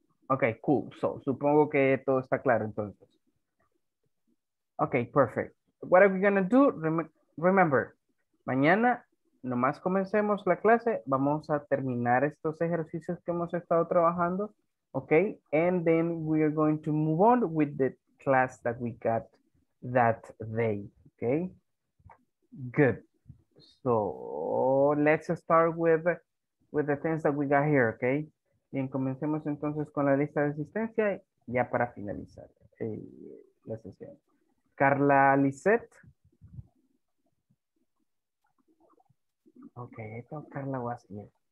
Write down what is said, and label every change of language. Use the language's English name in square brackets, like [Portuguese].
[English] Okay, cool. So, [Spanish] supongo que todo está claro entonces. [English] Okay, perfect. What are we going to do? [Spanish] Remember, mañana nomás comencemos la clase, vamos a terminar estos ejercicios que hemos estado trabajando, okay? [English] And then we are going to move on with the class that we got that day, okay? Good. So, let's start with the things that we got here, okay? [Spanish] Bien, comencemos entonces con la lista de asistencia ya para finalizar la sesión. Carla Lisette. Ok, esto Carla Guasier.